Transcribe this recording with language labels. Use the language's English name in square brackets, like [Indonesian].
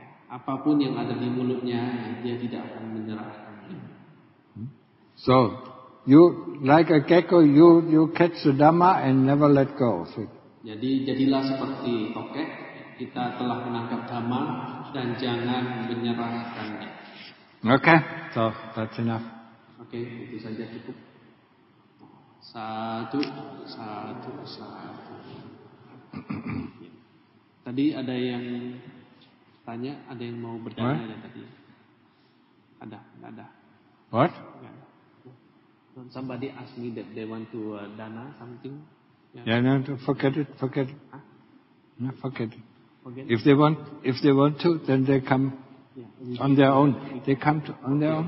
[Indonesian] Apapun yang ada di mulutnya, dia tidak akan menyerah. [English] So, you like a gecko, you catch the Dhamma and never let go. [Indonesian] Jadilah seperti tokek. Kita telah menangkap Dhamma dan jangan menyerahkannya. [English] Okay, so that's enough. [Indonesian] Okay, itu saja cukup. Satu, satu, satu. Tadi ada yang tanya, ada yang mau bertanya ya tadi? Ada. [English] What? Yeah. Somebody asked me that they want to dana something. Yeah. Yeah, no, forget it, forget it. Huh? No, forget it. Forget if they want, if they want to, then they come on their own. They come to, on their own.